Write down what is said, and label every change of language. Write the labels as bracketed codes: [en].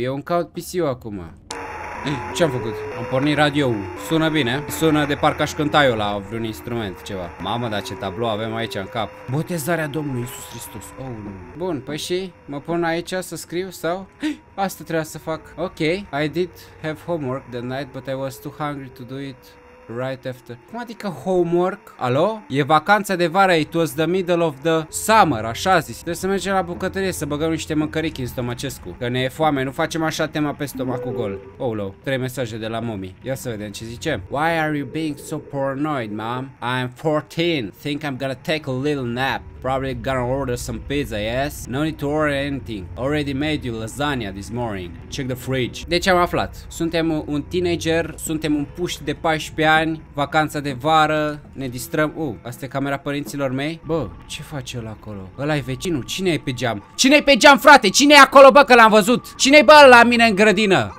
[ro] Eu îmi caut PC-ul acum. Ce-am făcut? Am pornit radio-ul. Sună bine. Sună de parcă aș cânta eu la vreun instrument ceva. Mamă, dar ce tablou avem aici în cap. Botezarea Domnului Iisus Hristos. Oh, nu. Bun, păi și mă pun aici să scriu sau? Asta trebuia să fac. Ok. [en] I did have homework the night, but I was too hungry to do it. Right after. [ro] Cum adică homework? Alo? E vacanța de vară, [en] it was the middle of the summer, [ro] așa zis. Trebuie să mergem la bucătărie să băgăm niște mâncărichi în stomacescu. Că ne e foame, nu facem așa tema pe stomacul gol. Oh, low. Trei mesaje de la mommy. Ia să vedem ce zice. [en] Why are you being so paranoid, mom? I'm 14. Think I'm gonna take a little nap. Probably gonna order some pizza, yes? No need to order anything. Already made you lasagna this morning. Check the fridge. [ro] Deci am aflat. Suntem un teenager, suntem un puști de 14 ani, vacanța de vară, ne distrăm. Asta e camera părinților mei. Bă, ce face ăla acolo? Ăla e vecinul, cine e pe geam? Cine e pe geam, frate? Cine e acolo, bă, că l-am văzut? Cine e bă la mine în grădină?